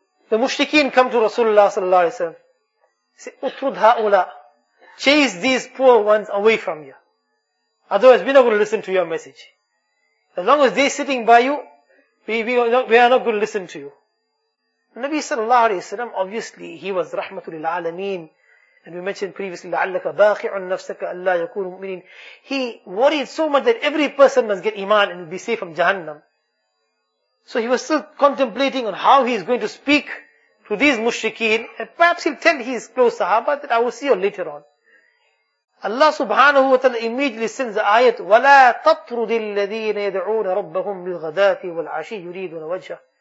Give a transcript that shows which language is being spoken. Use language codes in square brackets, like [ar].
[en] The mushrikeen come to Rasulullah sallallahu alayhi wa sallam. Say, [ar] utrud ha'ula. [en] Chase these poor ones away from you. Otherwise, we're not going to listen to your message. As long as they're sitting by you, we are not going to listen to you. Nabi sallallahu alayhi wa sallam, obviously, he was rahmatul alameen. And we mentioned previously, [ar] لَعَلَّكَ بَاخِعٌ نَفْسَكَ أَلَّا يَكُونُ مُؤْمِنِينَ. [en] He worried so much that every person must get iman and be safe from Jahannam. So he was still contemplating on how he is going to speak to these mushrikeen, and perhaps he'll tell his close sahaba that I will see you later on. Allah subhanahu wa ta'ala immediately sends the ayat, [ar] وَلَا تَطْرُدِ الَّذِينَ يَدْعُونَ رَبَّهُمْ بِالْغَدَاتِ وَالْعَشِيِّ يُرِيدُونَ وَجْهَهُ.